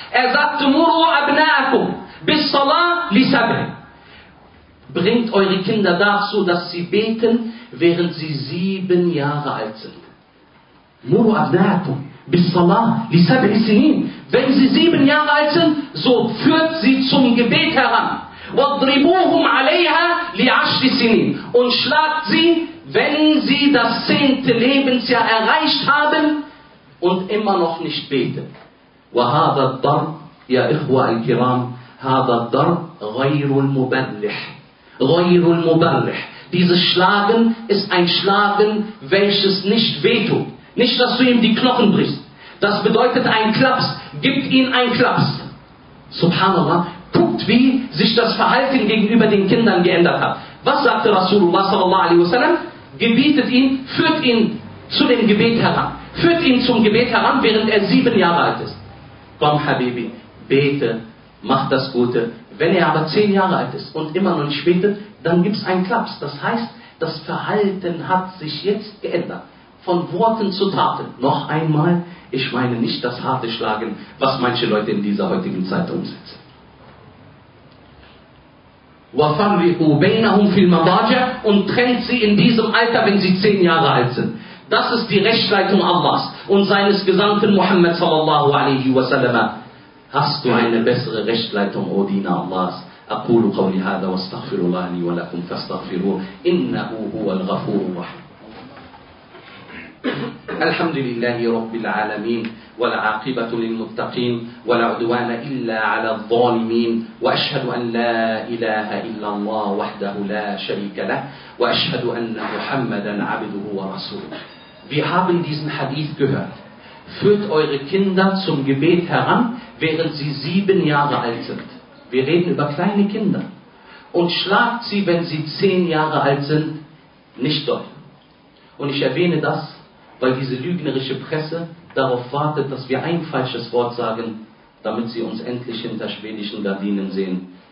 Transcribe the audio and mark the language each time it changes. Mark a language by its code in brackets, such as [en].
[de] Er sagte, [ar] Muru abnaakum bis salah li sabr. [de] Bringt eure Kinder dazu, dass sie beten, während sie 7 Jahre alt sind. [ar] Muru abnaakum bis salah li sabr. [de] Wenn sie 7 Jahre alt sind, so führt sie zum Gebet heran. [ar] واضربوهم عليها لعشر سنين. [de] Und schlagt sie, wenn sie das zehnte Lebensjahr erreicht haben und immer noch nicht beten. [ar] وهذا الضرب يا إخوة الكرام هذا الضرب غير المبلح غير المبلح. [de] Dieses Schlagen ist ein Schlagen, welches nicht wehtut. Nicht, dass du ihm die Knochen brichst. Das bedeutet ein Klaps. Gibt ihm ein Klaps. Subhanallah. Guckt, wie sich das Verhalten gegenüber den Kindern geändert hat. Was sagte Rasulullah sallallahu alaihi wasallam? Gebietet ihn, führt ihn zu dem Gebet heran. Führt ihn zum Gebet heran, während er 7 Jahre alt ist. Komm, Habibi, bete, mach das Gute. Wenn er aber 10 Jahre alt ist und immer noch nicht betet, dann gibt es einen Klaps. Das heißt, das Verhalten hat sich jetzt geändert. Von Worten zu Taten. Noch einmal, ich meine nicht das harte Schlagen, was manche Leute in dieser heutigen Zeit umsetzen. [ar] وَفَرِّقُوا بَيْنَهُمْ فِي الْمَضَاجِعِ. [de] Und trennt sie in diesem Alter, wenn sie 10 Jahre alt sind. Das ist die Rechtsleitung Allahs und seines Gesandten Muhammad sallallahu alaihi wa sallam. Hast du eine bessere Rechtsleitung, O Diener Allahs? [ar] أقول قولي هذا واستغفر الله لي ولكم فاستغفروه إنه هو الغفور الرحيم. الحمد لله رب العالمين والعاقبة للمتقين ولا عدوان إلا على الظالمين وأشهد أن لا إله إلا الله وحده لا شريك له وأشهد أن محمدا عبده ورسوله. [de] Wir haben diesen Hadith gehört. Führt eure Kinder zum Gebet heran, während sie 7 Jahre alt sind. Wir reden über kleine Kinder. Und schlagt sie, wenn sie 10 Jahre alt sind, nicht doll. Und ich erwähne das, weil diese lügnerische Presse darauf wartet, dass wir ein falsches Wort sagen, damit sie uns endlich hinter schwedischen Gardinen sehen.